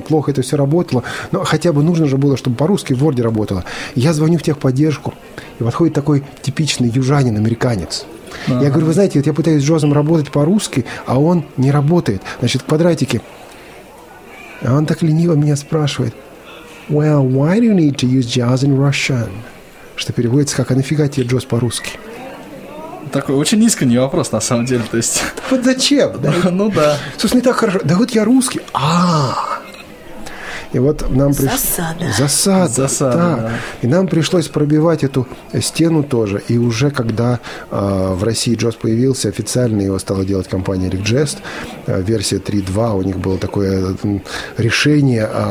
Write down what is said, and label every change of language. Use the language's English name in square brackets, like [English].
[Russian] Плохо это все работало. Но хотя бы нужно же было, чтобы по-русски в Word работало. Я звоню в техподдержку. И подходит такой типичный южанин-американец. Ага. Я говорю, вы знаете, вот я пытаюсь с Джозом работать по-русски, а он не работает. Значит, квадратики. А он так лениво меня спрашивает. [English] Well, why do you need to use Jaws in Russian? [Russian] Что переводится как «А нафига тебе Джоз по-русски?» Такой очень искренний вопрос, на самом деле, то есть. Вот зачем? Да? Ну да. Слушай, не так хорошо. Да вот я русский. И вот нам пришлось... Засада. Засада. Засада, да. И нам пришлось пробивать эту стену тоже. И уже когда в России Джоз появился, официально его стала делать компания Rick Jest, версия 3.2, у них было такое решение.